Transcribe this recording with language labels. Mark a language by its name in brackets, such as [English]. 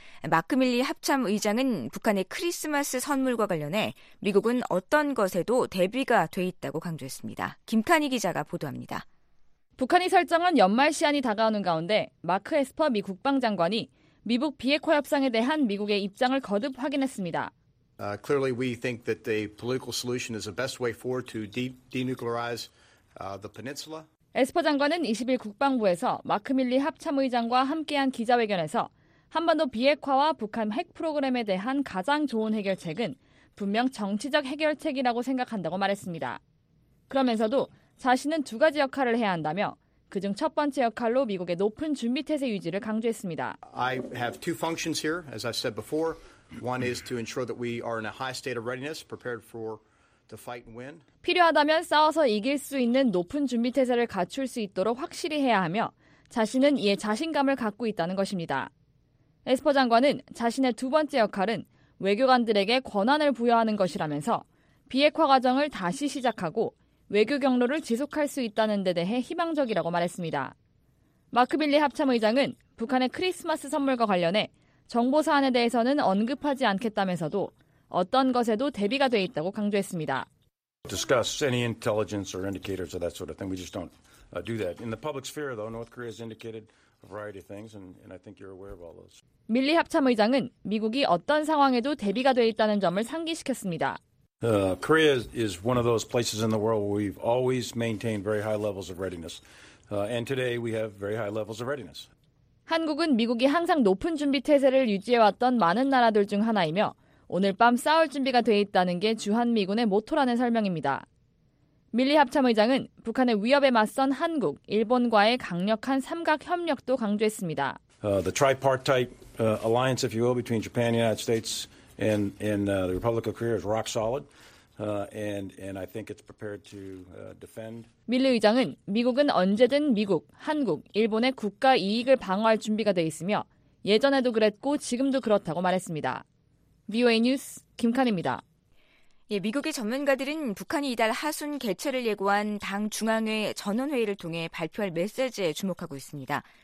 [Korean] 마크 밀리 합참 의장은 북한의 크리스마스 선물과 관련해 미국은 어떤 것에도 대비가 돼 있다고 강조했습니다. 김카니 기자가 보도합니다. 북한이 설정한 연말 시한이 다가오는 가운데 마크 에스퍼 미 국방장관이 미북 비핵화 협상에 대한 미국의 입장을 거듭 확인했습니다. [English] Clearly we think that the political solution is the best way forward to denuclearize the peninsula. [Korean] 에스퍼 장관은 20일 국방부에서 마크 밀리 합참 의장과 함께한 기자회견에서 한반도 비핵화와 북한 핵 프로그램에 대한 가장 좋은 해결책은 분명 정치적 해결책이라고 생각한다고 말했습니다. 그러면서도 자신은 두 가지 역할을 해야 한다며 그중 첫 번째 역할로 미국의 높은 준비태세 유지를 강조했습니다. [English] I have two functions here, as I said before. One is to ensure that we are in a high state of readiness, prepared for to fight and win. [Korean] 필요하다면 싸워서 이길 수 있는 높은 준비태세를 갖출 수 있도록 확실히 해야 하며 자신은 이에 자신감을 갖고 있다는 것입니다. 에스퍼 장관은 자신의 두 번째 역할은 외교관들에게 권한을 부여하는 것이라면서 비핵화 과정을 다시 시작하고 외교 경로를 지속할 수 있다는 데 대해 희망적이라고 말했습니다. 마크 밀리 합참의장은 북한의 크리스마스 선물과 관련해 정보 사안에 대해서는 언급하지 않겠다면서도 어떤 것에도 대비가 돼 있다고 강조했습니다. [English] Discuss any intelligence or indicators or that sort of thing. We just don't do that. In the public sphere, though, North Korea has indicated a variety of things, and I think you're aware of all those. [Korean] 밀리 합참의장은 미국이 어떤 상황에도 대비가 돼 있다는 점을 상기시켰습니다. [English] Korea is one of those places in the world where we've always maintained very high levels of readiness. And today we have very high levels of readiness. [Korean] 한국은 미국이 항상 높은 준비 태세를 유지해왔던 많은 나라들 중 하나이며 오늘 밤 싸울 준비가 돼 있다는 게 주한미군의 모토라는 설명입니다. 밀리 합참의장은 북한의 위협에 맞선 한국, 일본과의 강력한 삼각협력도 강조했습니다. [English] The tripartite alliance, if you will, between Japan and the United States and the Republic of Korea is rock solid. And I think it's prepared to defend. [Korean] 밀리 의장은 미국은 언제든 미국, 한국, 일본의 국가 이익을 방어할 준비가 돼 있으며 예전에도 그랬고 지금도 그렇다고 말했습니다. VOA 뉴스 김칸입니다. 예, 미국의 전문가들은 북한이 이달 하순 개최를 예고한 당 중앙회 전원회의를 통해 발표할 메시지에 주목하고 있습니다.